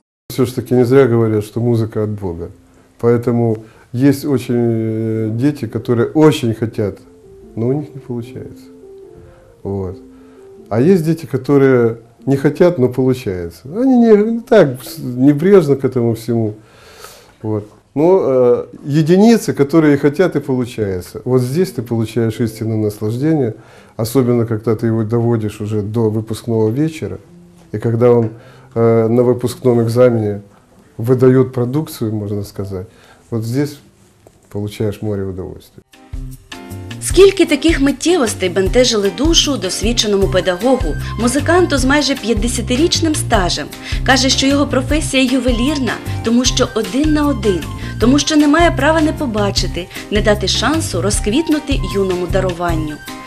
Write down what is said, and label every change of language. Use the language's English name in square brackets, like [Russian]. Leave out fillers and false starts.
[Ukrainian] Все ж таки не зря говорять, що музика від Бога. [Russian] Тому есть очень дети, которые очень хотят, но у них не получается. Вот. А есть дети, которые не хотят, но получается. Они не так небрежно к этому всему. Вот. Но единицы, которые и хотят, и получается. Вот здесь ты получаешь истинное наслаждение, особенно когда ты его доводишь уже до выпускного вечера, и когда он на выпускном экзамене выдает продукцию, можно сказать. Вот здесь получаешь море удовольствия. [Ukrainian] Скільки таких миттєвостей бентежили душу досвідченому педагогу, музиканту з майже 50-річним стажем. Каже, що його професія ювелірна, тому що один на один, тому що немає права не побачити, не дати шансу розквітнути юному даруванню.